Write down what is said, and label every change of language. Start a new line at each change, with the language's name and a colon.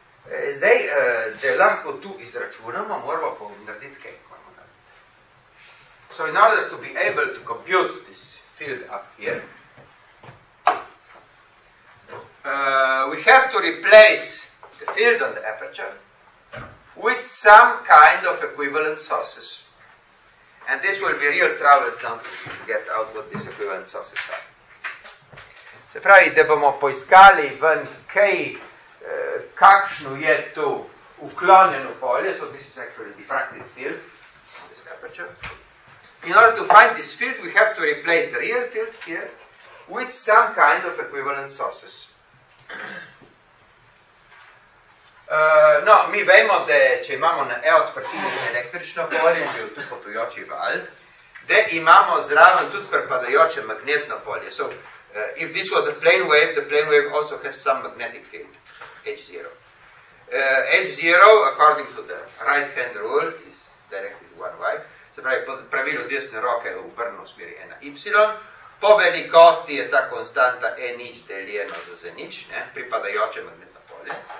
Slovenian: Zdaj, da lahko tu izračunamo, moramo narediti kaj.
English: So in order to be able to compute this field up here, we have to replace the field on the aperture with some kind of equivalent sources. And this will be real troubles now to get out what these equivalent sources are.
Slovenian: Se pravi, da bomo poiskali ven kaj, kakšno je to uklonjeno polje,
English: so this is actually diffracted field on this aperture. In order to find this field, we have to replace the real field here with some kind of equivalent sources.
Slovenian: No, mi vemo, da če imamo na E odprtini električno polje, je tu potujoči val, da imamo zraven tudi pripadajoče magnetno polje.
English: So, if this was a plane wave, the plane wave also has some magnetic field, H0. H0, according to the right-hand rule, is directed one way.
Slovenian: Se pravi, pravilo desne roke je obrnjeno v smeri ena y. Po velikosti je ta konstanta e nič deljeno za z nič, ne, pripadajoče magnetno polje.